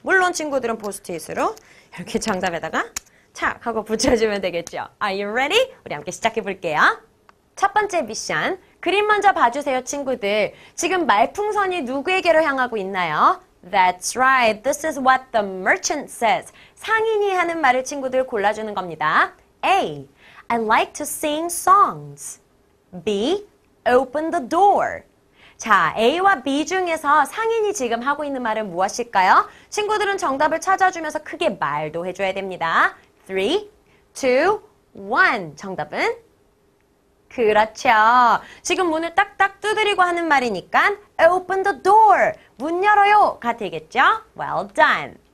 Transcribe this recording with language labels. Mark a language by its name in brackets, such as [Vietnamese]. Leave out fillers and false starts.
[Korean] 물론 친구들은 포스트잇으로 이렇게 정답에다가 착 하고 붙여주면 되겠죠. [English] Are you ready? [Korean] 우리 함께 시작해 볼게요. 첫 번째 미션, 그림 먼저 봐주세요, 친구들. 지금 말풍선이 누구에게로 향하고 있나요? [English] That's right. This is what the merchant says. [Korean] 상인이 하는 말을 친구들 골라주는 겁니다. [English] A. I like to sing songs. B. Open the door. [Korean] 자, A와 B 중에서 상인이 지금 하고 있는 말은 무엇일까요? 친구들은 정답을 찾아주면서 크게 말도 해줘야 됩니다. 3, 2, 1. 정답은? 그렇죠. 지금 문을 딱딱 두드리고 하는 말이니까 [English] open the door, [Korean] 문 열어요 가 되겠죠? [English] Well done.